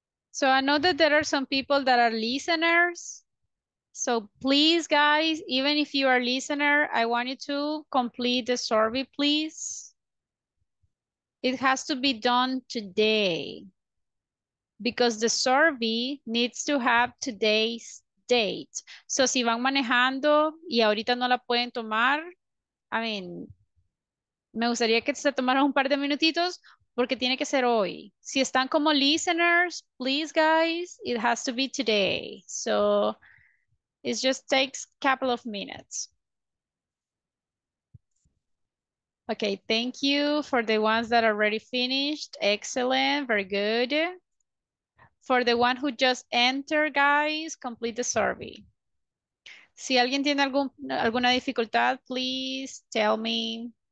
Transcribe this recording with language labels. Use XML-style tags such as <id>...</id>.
<en>So I know that there are some people that are listeners. So please, guys, even if you are a listener, I want you to complete the survey, please. It has to be done today because the survey needs to have today's date.</en> <es>So si van manejando y ahorita no la pueden tomar,</es> <en>I mean,</en> <es>me gustaría que se tomaran un par de minutitos, porque tiene que ser hoy. Si están como listeners,</es> <en>please guys, it has to be today. So it just takes a couple of minutes. Okay, thank you for the ones that already finished. Excellent, very good. For the one who just entered, guys, complete the survey.</en> <es>Si alguien tiene alguna dificultad,</es> <en>please tell me.</en>